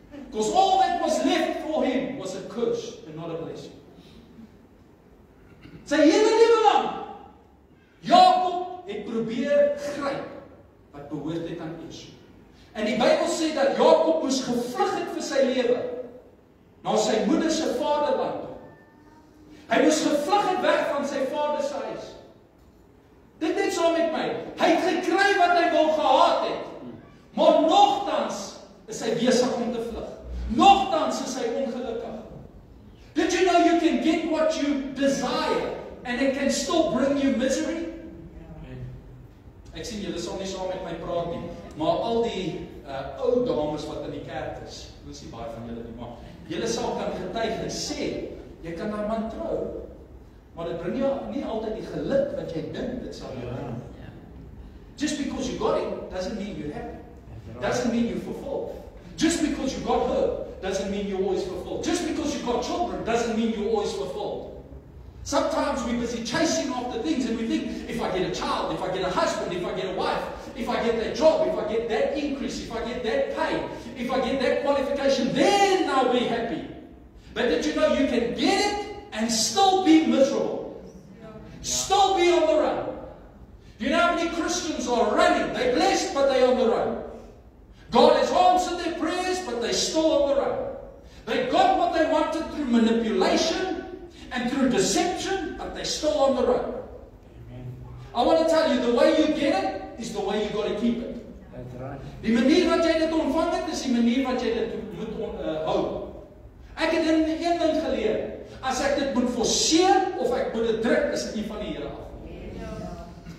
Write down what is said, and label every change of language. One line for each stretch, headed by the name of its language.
English: Because all that was left for him was a curse and not a blessing.
Afrikaans: Sy hele lewe lang, Jakob het probeer gryp wat behoort het aan Esau. En die Bybel sê dat Jakob moes gevlug het vir sy lewe na sy moeder se vaderland. Hy moes gevlug het weg van sy vader se huis. Dit net saam met my. Hy het gekry wat hy wou gehad het. Maar nogtans is hy besig om te vlug. Nogtans is hy ongelukkig.
English: Did you know you can get what you desire and it can still bring you misery?
Afrikaans: Ek sien julle sal nie saam met my praat nie, maar al die ou dames wat in die kerk is, hoe is die baie van julle die man, julle sal kan getuig en sê, jy kan daar man trou, maar dit bring jou nie altyd die geluk wat jy dink, dit sal jou bring.
English: Just because you got it, doesn't mean you're happy. Doesn't mean you're fulfilled. Just because you got her, doesn't mean you're always fulfilled. Just because you got children, doesn't mean you're always fulfilled. Sometimes we're busy chasing after things and we think, if I get a child, if I get a husband, if I get a wife, if I get that job, if I get that increase, if I get that pay, if I get that qualification, then I'll be happy. But did you know you can get it and still be miserable? Still be on the run. You know how many Christians are running? They're blessed, but they're on the run. God has answered their prayers, but they're still on the run. They got what they wanted through manipulation and through deception, but they're still on the road. Amen. I want to tell you, the way you get it, is the way you got to keep it. That's right.
Afrikaans: Die manier wat jy dit ontvang het, is die manier wat jy dit moet hou. Ek het in een ding geleer, as ek dit moet forceer, of ek moet dit druk, is dit nie van die Here af.